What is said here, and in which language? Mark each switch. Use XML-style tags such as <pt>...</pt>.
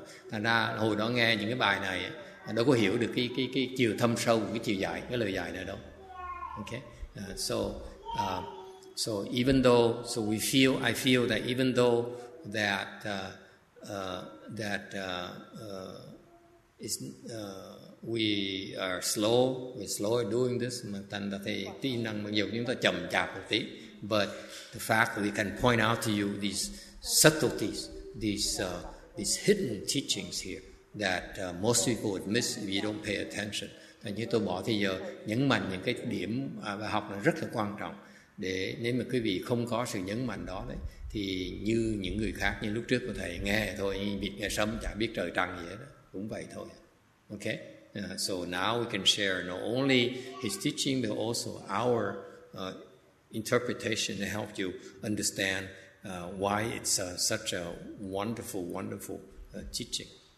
<vi>Thành ra hồi đó nghe những cái bài này, đâu có hiểu được cái chiều thâm sâu, cái chiều dài, cái lời dài này đâu.</vi> <en>Okay, so even though, so we feel, I feel that even though we are slow, we're slow at doing this. But the fact that we can point out to you these subtleties, these hidden teachings here that most people would miss if you don't pay attention.</en> <vi>Thành như tôi bỏ thì giờ nhấn mạnh những cái điểm bài học là rất là quan trọng. Để nếu mà quý vị không có sự nhấn mạnh đó đấy, thì như những người khác như lúc trước của thầy nghe thôi, biết nghe sấm chả biết trời trăng gì hết đó, cũng vậy thôi.</vi> <en>Okay, so now we can share not only his teaching but also our interpretation to help you understand why it's such a wonderful teaching.</en>